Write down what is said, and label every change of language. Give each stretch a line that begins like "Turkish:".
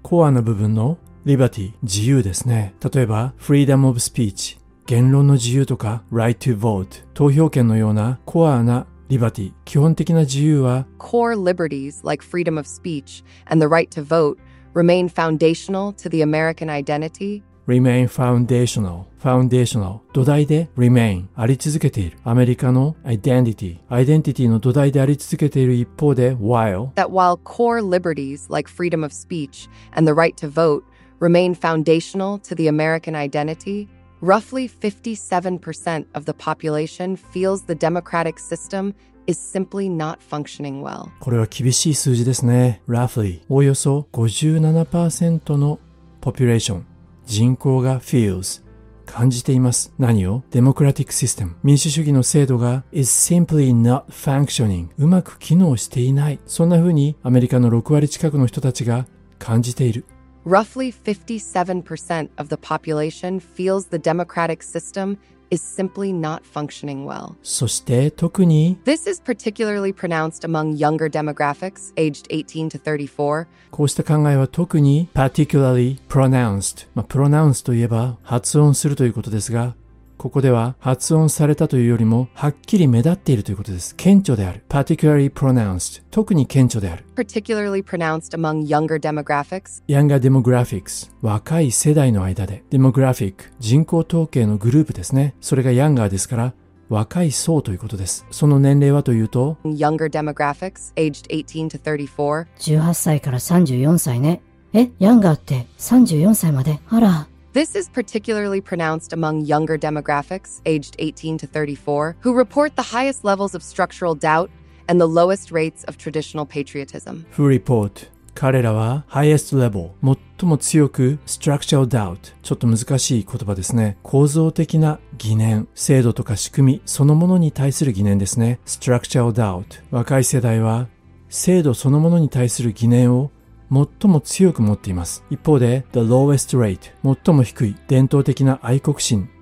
Japanese: コアの部分の
English: liberty、
Japanese: 自由ですね。例えば、
English: freedom of speech、
Japanese: 言論の自由とか、
English: right to vote、
Japanese: 投票権のようなコアなliberty、基本的な自由は、
English: core liberties like freedom of speech and the right to vote、remain foundational to the American identity. Remain foundational. Foundational.
Japanese: 土台で
English: remain.
Japanese: あり続けている。アメリカの identity. Identity の土台であり続けている一方で
English: while. That while core liberties like freedom of speech and the right to vote remain foundational to the American identity, roughly 57% of the population feels the democratic system is simply not functioning well.
Japanese: これは厳しい数字ですね。
English: Roughly,
Japanese: およそ 57% の
English: population,
Japanese: 人口が
English: feels,
Japanese: 感じています。何を?
English: Democratic system,
Japanese: 民主主義の制度が
English: is simply not functioning,
Japanese: うまく機能していない。そんな風にアメリカの6割近くの人たちが感じている。
English: Roughly 57% of the population feels the democratic system is simply not functioning well.
Japanese: そして特に
English: This is particularly pronounced among younger demographics aged 18 to 34.
Japanese: こうした考えは特に
English: particularly pronounced.
Japanese: まあ pronounced といえば発音するということですが、ここでは発音されたというよりもはっきり目立っているということです。顕著である。
English: particularly pronounced.
Japanese: 特に顕著である。
English: particularly pronounced among younger demographics. younger demographics.
Japanese: 若い世代の間で。
English: demographic.
Japanese: 人口統計のグループですね。それが younger ですから、若い層ということです。その年齢はというと、
English: younger demographics, aged 18 to 34.
Japanese: 18歳から34歳ね。 younger って34歳まで。あら。
English: This is particularly pronounced among younger demographics, aged 18 to 34, who report the highest levels of structural doubt and the lowest rates of traditional patriotism. Who report?
Japanese: 彼らは
English: highest level,
Japanese: 最も強く
English: structural doubt.
Japanese: ちょっと難しい言葉ですね。構造的な疑念、制度とか仕組みそのものに対する疑念ですね。
English: Structural doubt.
Japanese: 若い世代は制度そのものに対する疑念を最も強く持っています。一方で、
English: the lowest rate、
Japanese: 最も低い伝統的な愛国心。